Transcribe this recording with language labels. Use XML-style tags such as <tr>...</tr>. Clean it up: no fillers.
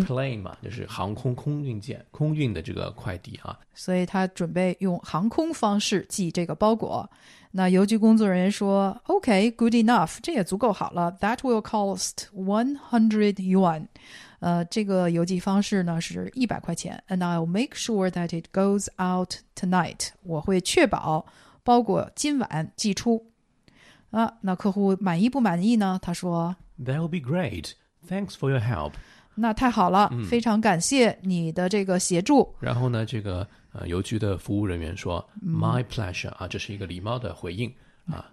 <zh>airplane 嘛，就是航空空运件，空运的这个快递啊。所以他准备用航空方式寄这个包裹。那邮局工作人员说 ，</zh> <en>OK, good enough,</en> <zh>这也足够好了。</zh> <en>That will cost 100 yuan.</en> <zh>这个邮寄方式呢是100块钱。</zh> <en>And I'll make sure that it goes out tonight.</en> <zh>我会确保包裹今晚寄出。啊，那客户满意不满意呢？他说</zh> <en>，That will be great. Thanks for your help.</en> <zh>那太好了，非常感谢你的这个协助。然后呢，这个邮局的服务人员说 ，</zh> <en>My pleasure</en> <zh>啊，这是一个礼貌的回应啊，</zh>